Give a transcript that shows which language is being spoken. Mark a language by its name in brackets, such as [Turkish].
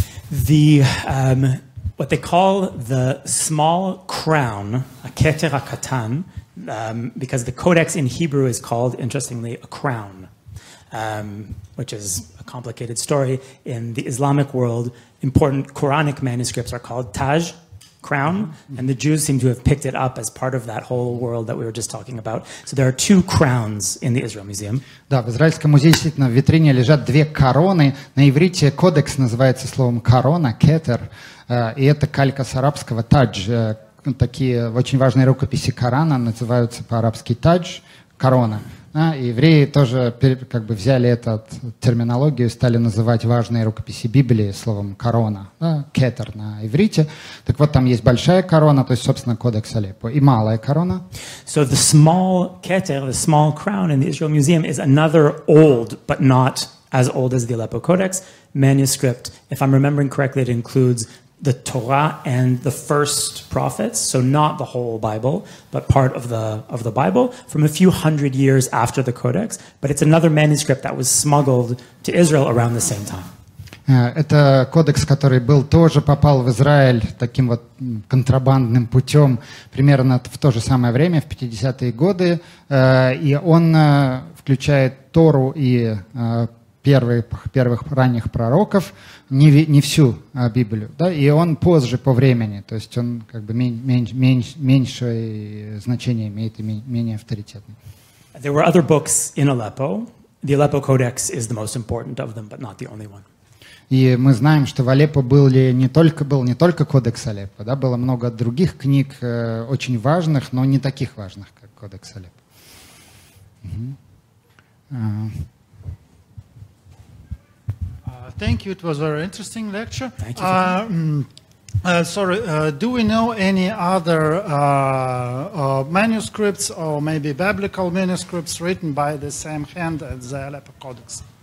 [English] The what they call the small crown, a Keter a Katan, because the codex in Hebrew is called, interestingly, a crown, which is a complicated story. In the Islamic world, important Quranic manuscripts are called Taj, crown, and the Jews seem to have picked it up as part of that whole world that we were just talking about. So there are two crowns in the Israel Museum. [Russian] Да, в Израильском музее действительно в витрине лежат две короны. На иврите кодекс называется словом корона, кетер, и это калька с арабского тадж. Такие очень важные рукописи Корана называются по-арабски тадж, корона. И евреи тоже как бы взяли эту терминологию и стали называть важные рукописи Библии словом «корона», да, «кетер» на иврите. Так вот, там есть большая корона, то есть, собственно, кодекс Алеппо, и малая корона. [English] So the small keter, the small crown in the Israel Museum is another old, but not as old as the Aleppo Codex, manuscript. If I'm remembering correctly, it includes the Torah and the first prophets, so not the whole Bible, but part of the Bible, from a few hundred years after the Codex. But it's another manuscript that was smuggled to Israel around the same time. [Russian] Это кодекс, который был тоже попал в Израиль таким вот контрабандным путем примерно в то же самое время, в 50-е годы. И он включает Тору и первых ранних пророков, не всю Библию, да, и он позже по времени, то есть он как бы меньшее значение имеет и менее авторитетный. [English] There were other books in Aleppo. The Aleppo Codex is the most important of them, but not the only one. [Russian] И мы знаем, что в Алеппо был не только Кодекс Алеппо, да, было много других книг, очень важных, но не таких важных, как Кодекс Алеппо. [English] Thank you. It was a very interesting lecture. Thank you. Do we know any other manuscripts or maybe biblical manuscripts written by the same hand as the Aleppo Codex?